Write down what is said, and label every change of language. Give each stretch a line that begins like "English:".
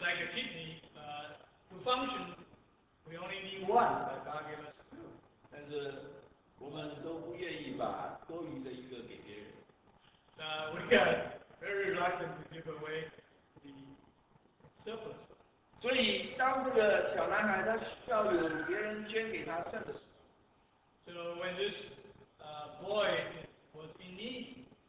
English: like a kidney, to function, we only need one, but God gave us two.
Chinese: 但是我们都不愿意把多余的一个给别人。
English: We are very reluctant to give away the surplus.
Chinese: 所以当这个小男孩他需要有别人捐给他肾的时候。
English: So when this boy was in need,